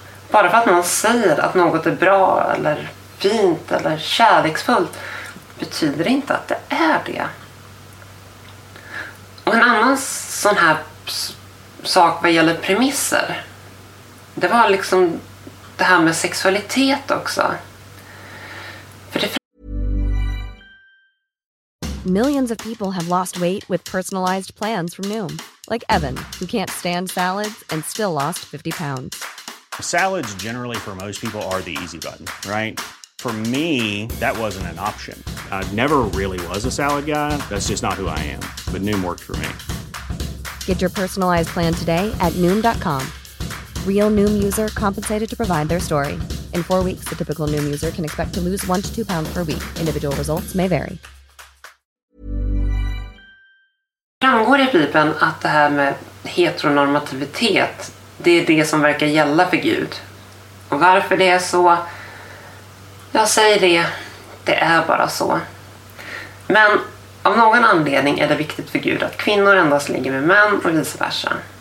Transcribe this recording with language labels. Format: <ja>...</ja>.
<sv>Bara för att någon säger att något är bra eller fint eller kärleksfullt betyder inte att det är det. Och en annan sån här sak vad gäller premisser, det var liksom det här med sexualitet också.</sv> <en>Millions of people have lost weight with personalized plans from Noom, like Evan, who can't stand salads and still lost 50 pounds. Salads generally for most people are the easy button, right? For me, that wasn't an option. I never really was a salad guy. That's just not who I am. But Noom worked for me. Get your personalized plan today at Noom.com. Real Noom user compensated to provide their story. In 4 weeks, the typical Noom user can expect to lose 1 to 2 pounds per week. Individual results may vary.</en> <sv>Framgår i Bibeln att det här med heteronormativitet, det är det som verkar gälla för Gud. Och varför det är så? Jag säger det. Det är bara så. Men av någon anledning är det viktigt för Gud att kvinnor endast ligger med män och vice versa.</sv>